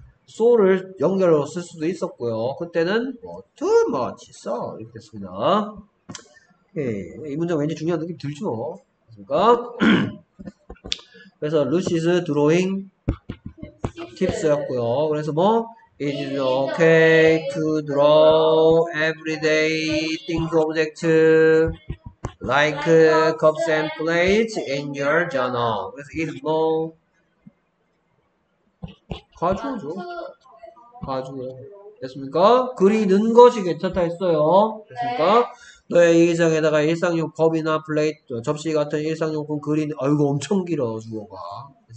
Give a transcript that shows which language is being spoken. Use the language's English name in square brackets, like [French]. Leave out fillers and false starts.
[Korean] so를 연결로 쓸 수도 있었고요. 그때는 뭐 too much so 이렇게 했습니다. 예, 이 문장 왠지 중요한 느낌 들죠? 그래서 루시스 드로잉 팁스였고요. 그래서 뭐 [English] is it okay to draw everyday things object like cups and plates in your journal? [Korean] 그래서 is 뭐 가죽이죠? 가죽이요. 됐습니까? 그리는 것이 괜찮다 했어요. 됐습니까? 너의 일상에다가 일상용 컵이나 플레이트, 접시 같은 일상용품 그린, 아이고 엄청 길어, 주어가.